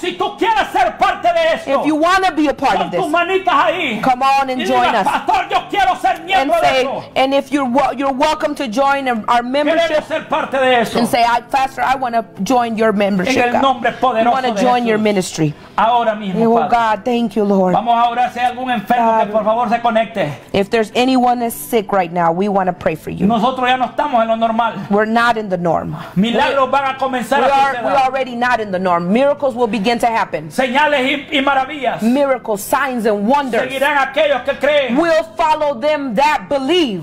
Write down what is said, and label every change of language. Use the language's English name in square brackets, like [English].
[Spanish] Si tú quieres ser parte de esto, [English] if you want to be a part [Spanish] con [English] of this, [Spanish] tus manitas ahí, [English] come on and join [Spanish] diga, [English] us. [Spanish] Pastor, yo quiero ser miembro [English] and say, [Spanish] de eso. [English] And if you're welcome to join our membership, [Spanish] queremos ser parte de eso. [English] And say, Pastor, I want to join your membership. [Spanish] En el nombre poderoso [English] I want to join [Spanish] Jesús. [English] Your ministry. [Spanish] Ahora mismo, oh Padre. [English] God, thank you, Lord. [Spanish] Vamos a orar, si hay algún enfermo, God, que por favor se conecte. [English] If there's anyone that's sick right now, we want to pray for you. [Spanish] Nosotros ya no estamos en lo normal. [English] We're not in the norm. [Spanish] Milagros van a comenzar. [English] We're already not in the norm. Miracles will begin to happen. [Spanish] Señales y maravillas. [English] Miracles, signs and wonders. [Spanish] Seguirán aquellos que creen. [English] We'll follow them that believe.